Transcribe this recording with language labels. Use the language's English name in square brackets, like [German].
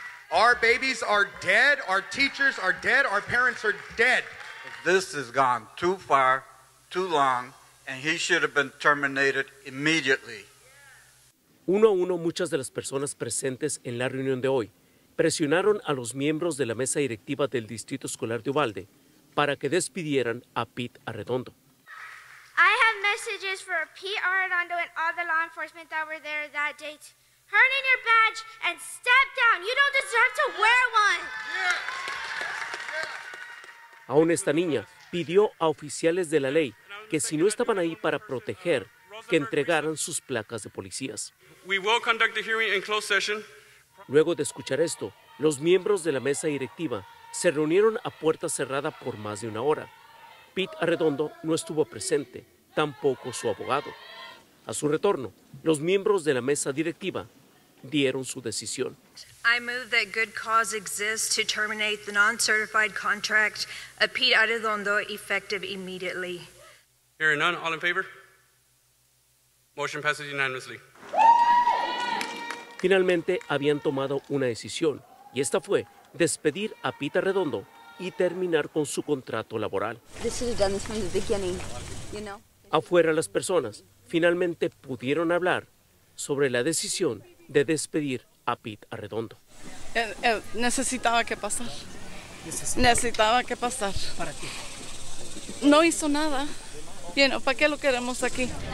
[English] Our babies are dead, our teachers are dead, our parents are dead. This has gone too far, too long, and he should have been terminated immediately. [Spanish] Uno a uno, muchas de las personas presentes en la reunión de hoy presionaron a los miembros de la mesa directiva del Distrito Escolar de Uvalde para que despidieran a Pete Arredondo. [English] I have messages for Pete Arredondo and all the law enforcement that were there that day. Turn in your badge and step down. You don't deserve to wear one. [Spanish] Aún esta niña pidió a oficiales de la ley que si no estaban ahí para proteger, que entregaran sus placas de policías. [English] We will conduct the hearing in closed session. [Spanish] Luego de escuchar esto, los miembros de la mesa directiva se reunieron a puerta cerrada por más de una hora. Pete Arredondo no estuvo presente, tampoco su abogado. A su retorno, los miembros de la mesa directiva dieron su decisión. [English] I move that good cause exists to terminate the non-certified contract of Pete Arredondo effective immediately. Hearing none, all in favor? Motion passes unanimously. [Spanish] Finalmente, habían tomado una decisión, y esta fue despedir a Pete Arredondo y terminar con su contrato laboral. [English] They should have done this from the beginning, you know? [Spanish] Afuera, las personas finalmente pudieron hablar sobre la decisión de despedir a Pete Arredondo. Necesitaba que pasar. ¿Para qué? No hizo nada. Bien, ¿para qué lo queremos aquí?